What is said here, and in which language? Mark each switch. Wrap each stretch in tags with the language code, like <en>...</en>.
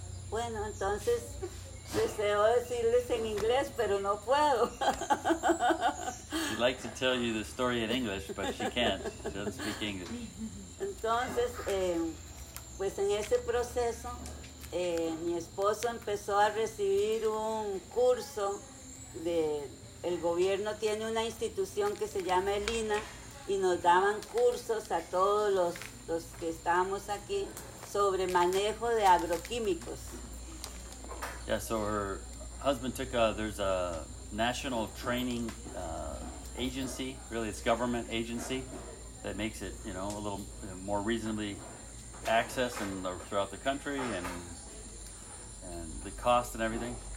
<es>Bueno, entonces, deseo decirles en inglés, pero no puedo.</es> <en>She'd like to tell you the story in English, but she can't. She doesn't speak English.</en> <es>Entonces, pues en ese proceso, mi esposo empezó a recibir un curso de, el gobierno tiene una institución que se llama el INAH, y nos daban cursos a todos los que estábamos aquí sobre manejo de agroquímicos.</es> <en>Yeah, so her husband took there's a national training agency, really it's government agency, that makes it, you know, a little more reasonably access in the, throughout the country and the cost and everything.</en>